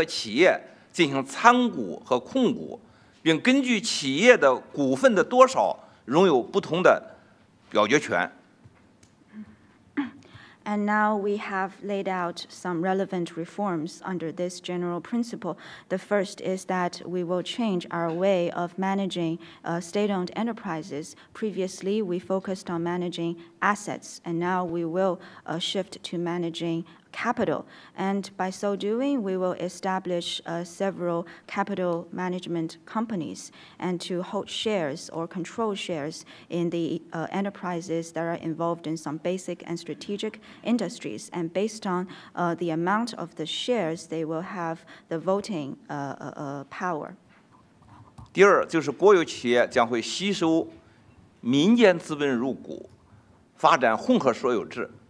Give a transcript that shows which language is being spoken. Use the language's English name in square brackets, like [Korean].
[Chinese] 按照这样一个理念，我们将进行这样一些改革。第一，就是对国有企业的管理将由过去以管资产为主，转变为以管资本为主，将会成立若干个资本管理公司，对需要投资的行业和企业进行参股和控股。并根据企业的股份的多少，拥有不同的表决权。 [English] And now we have laid out some relevant reforms under this general principle. The first is that we will change our way of managing state-owned enterprises. Previously, we focused on managing assets, and now we will shift to managing capital. And by so doing, we will establish several capital management companies and to hold shares or control shares in the enterprises that are involved in some basic and strategic industries. And based on the amount of the shares, they will have the voting power. [Chinese] 第二，就是国有企业将会吸收民间资本入股，发展混合所有制。